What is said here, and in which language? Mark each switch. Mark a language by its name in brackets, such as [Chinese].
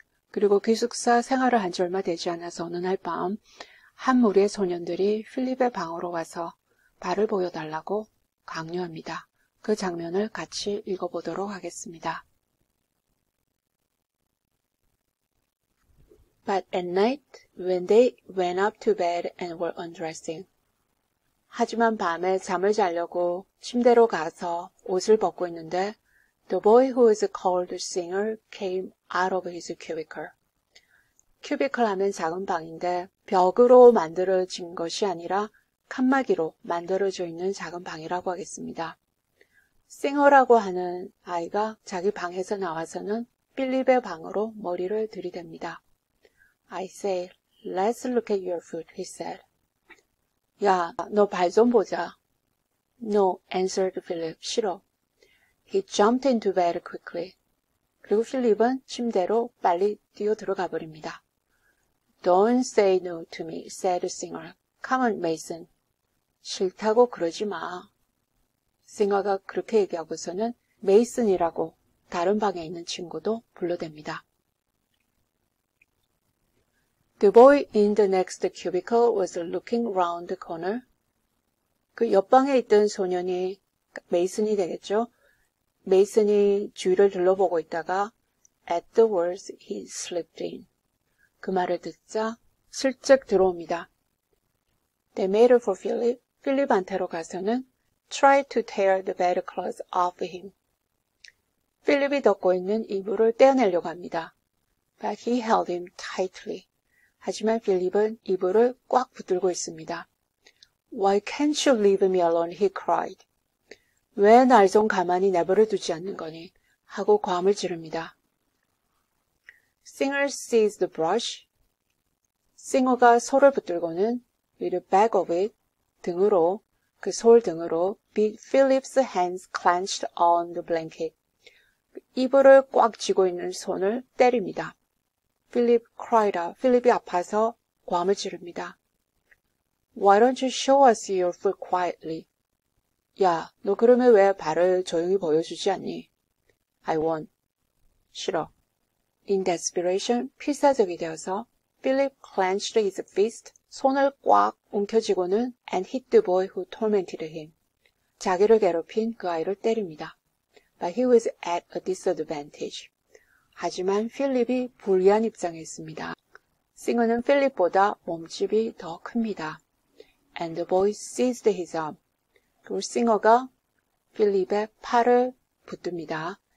[Korean] 그리고 기숙사 생활을 한지 얼마 되지 않아서 어느 날 밤, 한 무리의 소년들이 필립의 방으로 와서 발을 보여달라고 강요합니다. 그 장면을 같이 읽어보도록 하겠습니다. [English] But at night, when they went up to bed and were undressing. [Korean] 하지만 밤에 잠을 자려고 침대로 가서 옷을 벗고 있는데, [English] The boy who is called the singer came out of his cubicle. [Korean] 큐비클 하면 작은 방인데, 벽으로 만들어진 것이 아니라 칸막이로 만들어져 있는 작은 방이라고 하겠습니다. Singer라고 하는 아이가 자기 방에서 나와서는 필립의 방으로 머리를 들이댑니다. [English] I say, let's look at your foot, he said. [Korean] 야, 너발좀 보자. [English] No, answered Philip, [Korean] 싫어. [English] He jumped into bed quickly. [Korean] 그리고 필립은 침대로 빨리 뛰어들어가 버립니다. [English] Don't say no to me, said the singer. Come on, Mason. [Korean] 싫다고 그러지 마. Singer가 그렇게 얘기하고서는 Mason이라고 다른 방에 있는 친구도 불러댑니다. [English] The boy in the next cubicle was looking round the corner. [Korean] 그 옆방에 있던 소년이 메이슨이 되겠죠? 메이슨이 주위를 둘러보고 있다가 [English] At the words he slipped in. [Korean] 그 말을 듣자 슬쩍 들어옵니다. [English] They made for Philip. [Korean] 필립한테로 가서는 [English] Try to tear the bedclothes off him. [Korean] 필립이 덮고 있는 이불을 떼어내려고 합니다. [English] But he held him tightly. [Korean] 하지만 필립은 이불을 꽉 붙들고 있습니다. [English] Why can't you leave me alone? he cried. [Korean] 왜날좀 가만히 내버려 두지 않는 거니? 하고 고함을 지릅니다. [English] Singer seized the brush. [Korean] 싱어가 솔을 붙들고는 [English] with the back of it, [Korean] 등으로, 그솔 등으로 [English] beat Philip's hands clenched on the blanket. [Korean] 이불을 꽉 쥐고 있는 손을 때립니다. [English] Philip cried out. [Korean] 필립이 아파서 고함을 지릅니다. [English] Why don't you show us your foot quietly? [Korean] 야, 너 그러면 왜 발을 조용히 보여주지 않니? [English] I won't. [Korean] 싫어. [English] In desperation, [Korean] 필사적이 되어서 [English] Philip clenched his fist, [Korean] 손을 꽉 움켜쥐고는 [English] and hit the boy who tormented him. [Korean] 자기를 괴롭힌 그 아이를 때립니다. [English] But he was at a disadvantage. [Korean] 하지만 필립이 불리한 입장에 있습니다. 싱어는 필립보다 몸집이 더 큽니다. [English] And the boy seized his arm. [Korean] 그리고 싱어가 필립의 팔을 붙듭니다.